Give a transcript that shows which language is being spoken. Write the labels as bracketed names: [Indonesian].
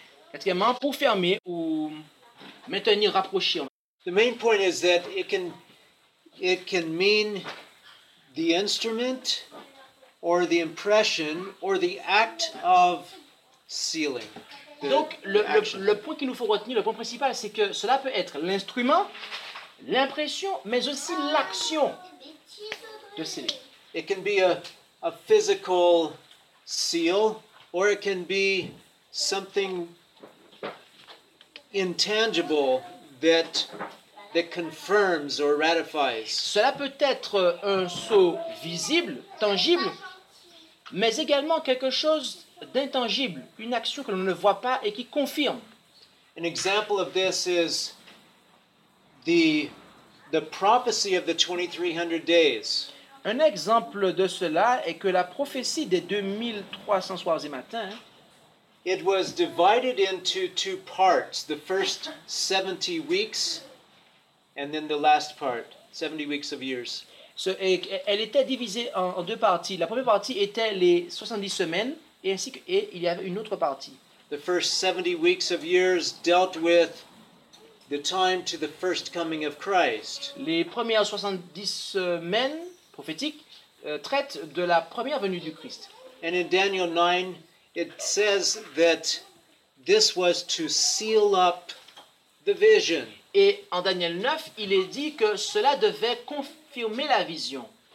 [French] Quatrièmement, pour fermer ou maintenir rapproché. [English] The main point is that it can mean the instrument or the impression or the act of sealing. [French] Donc le point qu'il nous faut retenir, le point principal, c'est que cela peut être l'instrument, l'impression, mais aussi l'action de sceller. [English] It can be a physical seal or it can be something intangible that confirms or ratifies. [French] Cela peut être un sceau visible, tangible, mais également quelque chose d'intangible, une action que l'on ne voit pas et qui confirme. [English] An example of this is the prophecy of the 2300 days. [French] Un exemple de cela est que la prophétie des 2300 soirs et matins. [English] It was divided into two parts, the first 70 weeks. And then the last part, 70 weeks of years. [French] Elle était divisée en deux parties. La première partie était les 70 semaines, et il y avait une autre partie. [English] The first 70 weeks of years dealt with the time to the first coming of Christ. [French] Les premières 70 semaines prophétiques traitent de la première venue du Christ. [English] And in Daniel 9, it says that this was to seal up the vision. [French] Et en Daniel 9, il est dit que cela devait confirmer la vision.